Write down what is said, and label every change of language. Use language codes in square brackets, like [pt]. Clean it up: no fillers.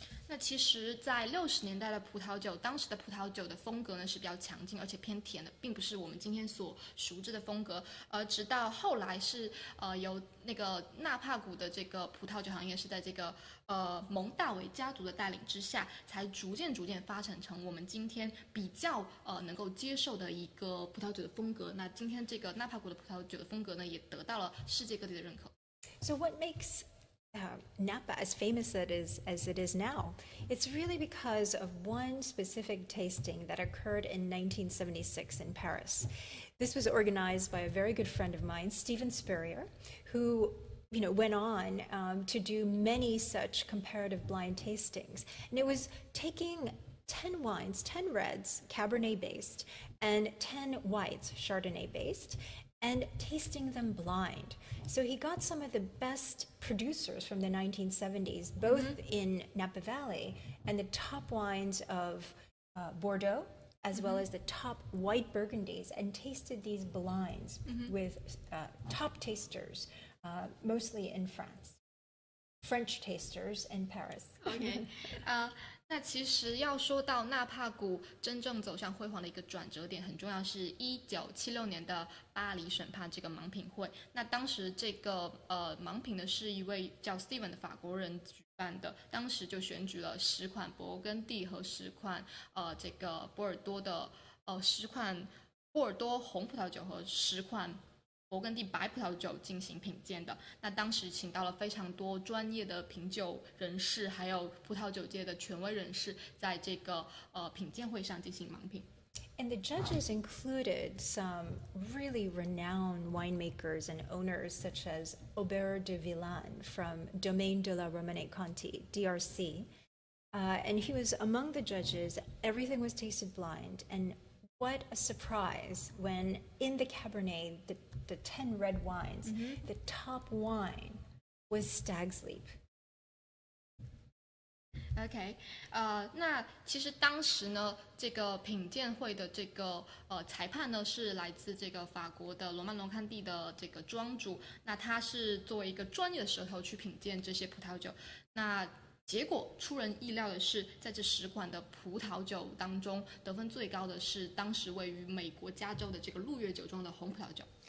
[zh] 那其实在60年代的葡萄酒，当时的葡萄酒的风格呢是比较强劲，而且偏甜的，并不是我们今天所熟知的风格。直到后来是由那个纳帕谷的这个葡萄酒行业是在这个蒙大维家族的带领之下，才逐渐发展成我们今天比较能够接受的一个葡萄酒的风格。那今天这个纳帕谷的葡萄酒的风格呢，也得到了世界各地的认可。 [en] So what makes Napa as famous as it is now. It's really because of one specific tasting that occurred in 1976 in Paris. This was organized by a very good friend of mine, Stephen Spurrier, who, you know, went on to do many such comparative blind tastings. And it was taking 10 wines, 10 reds, Cabernet-based, and 10 whites, Chardonnay-based,and tasting them blind. So he got some of the best producers from the 1970s, both in Napa Valley and the top wines of Bordeaux, as well as the top white Burgundies, and tasted these blinds with top tasters, mostly in France. French tasters in Paris. Okay. [zh] 那其实要说到纳帕谷真正走向辉煌的一个转折点，很重要是1976年的巴黎审判这个盲品会。那当时这个盲品呢是一位叫 Steven 的法国人举办的，当时就选举了十款勃艮第和十款这个波尔多的十款波尔多红葡萄酒和十款勃艮第白葡萄酒进行品鉴的。那当时请到了非常多专业的品酒人士，还有葡萄酒界的权威人士，在这个品鉴会上进行盲品。 [en] And the judges included some really renowned winemakers and owners, such as Aubert de Villain from Domaine de la Romanée Conti, DRC. And he was among the judges. Everything was tasted blind. And what a surprise when in the Cabernet, the 10 red wines, the top wine was Stag's Leap. [zh] Okay, 那其实当时呢，这个品鉴会的这个裁判呢是来自这个法国的罗曼·罗康蒂的这个庄主，那他是作为一个专业的舌头去品鉴这些葡萄酒，那结果出人意料的是，在这十款的葡萄酒当中，得分最高的是当时位于美国加州的这个陆月酒庄的红葡萄酒。